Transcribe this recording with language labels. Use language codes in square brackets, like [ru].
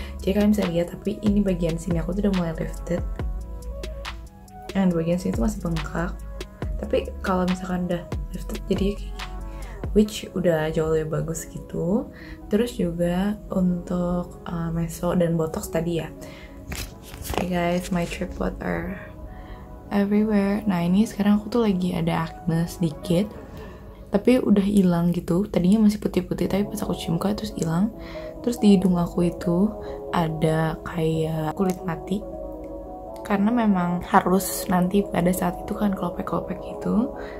[id] Jadi kalian bisa lihat, tapi ini bagian sini aku tuh udah mulai lifted. Dan bagian sini tuh masih bengkak. Tapi kalau misalkan udah lifted jadi which udah jauh lebih bagus gitu. Terus juga untuk meso dan botox tadi ya. [en] Hey guys, my tripod are everywhere. [id] Nah ini sekarang aku tuh lagi ada acne sedikit, tapi udah hilang gitu. Tadinya masih putih-putih, tapi pas aku cium kok terus hilang. Terus di hidung aku itu ada kayak kulit mati. Karena memang harus nanti pada saat itu kan kelopek-kelopek gitu.